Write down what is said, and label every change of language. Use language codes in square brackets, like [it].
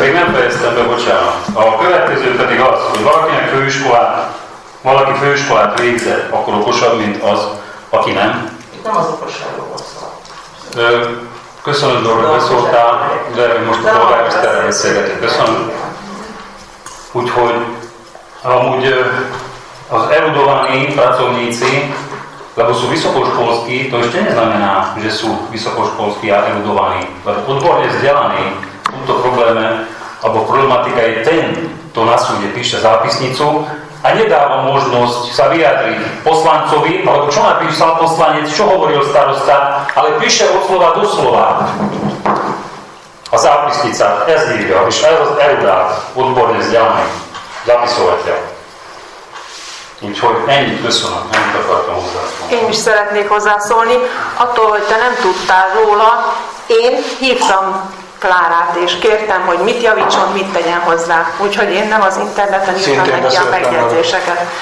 [hu] Még nem fejeztem be, bocsánat. A következő pedig az, hogy valakinek főiskolát, valaki főiskolát végze, akkor okosabb, mint az, aki nem. Itt nem az okosságról van szó. Köszönöm, Dorra, hogy beszóltál, de most a polgármesterrel beszélgetünk. Köszönöm. Úgyhogy, amúgy az [sk] erudovaný pracovníci, lebo sú vysokoškolskí, to ešte neznamená, že sú vysokoškolskí a erudovaní. Lebo odborne vzdelaní v tomto probléme, alebo problematika je ten, kto na súde píše zápisnicu a nedáva možnosť sa vyjadriť poslancovi, alebo čo napísal poslanec, čo hovoril starosta, ale píše od slova do slova. A zápisnica, SDV, alebo erudát, odborne vzdelaný, zapisovateľ. [hu] Úgyhogy ennyit köszönöm, ennyit akartam hozzászólni. Én is szeretnék hozzászólni. Attól, hogy te nem tudtál róla, én hívtam Klárát, és kértem, hogy mit javítson, mit tegyen hozzá. Úgyhogy én nem az interneten írtam neki a megjegyzéseket.